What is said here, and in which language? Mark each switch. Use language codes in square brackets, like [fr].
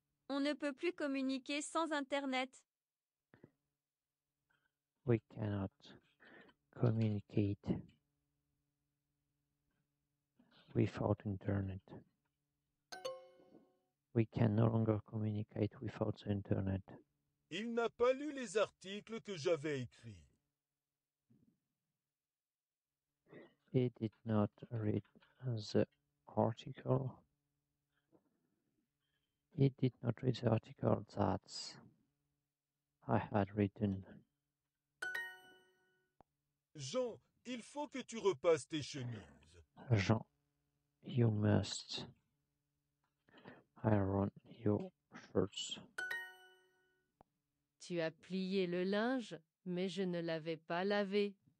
[fr] On ne peut plus communiquer sans Internet. [en] We cannot communicate without Internet. We can no longer communicate without the Internet. [fr] Il n'a pas lu les articles que j'avais écrits. [en] He did not read the article. He did not read the article that I had written. [fr] Jean, il faut que tu repasses tes chemises. [en] Jean, you must iron your shirts. [fr] Tu as plié le linge, mais je ne l'avais pas lavé.